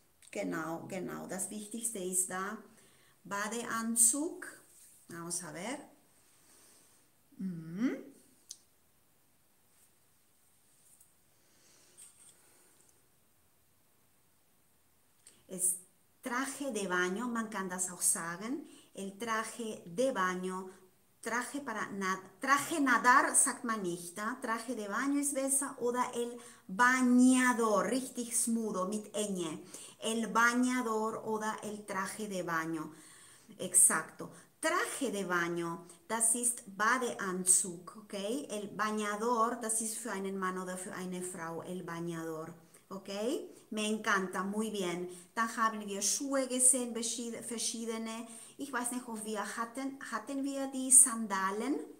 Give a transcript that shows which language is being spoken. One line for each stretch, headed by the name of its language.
German: Genau. Das Wichtigste ist da. Badeanzug. Vamos a ver.
Spanish: Es traje de baño,
German: man kann das auch sagen.
Spanish: El traje de baño, traje para traje nadar, sagt man nicht. Da? Traje de baño
German: ist besser.
Spanish: Oder el bañador, richtig smudo, mit ñe. El bañador oder el traje de baño. Exacto. Traje de baño,
German: das ist Badeanzug, okay? El bañador, das ist für einen Mann oder für eine Frau, el bañador, okay?
Spanish: Me encanta, muy bien.
German: Dann haben wir Schuhe gesehen, verschiedene. Ich weiß nicht, ob wir hatten wir die Sandalen?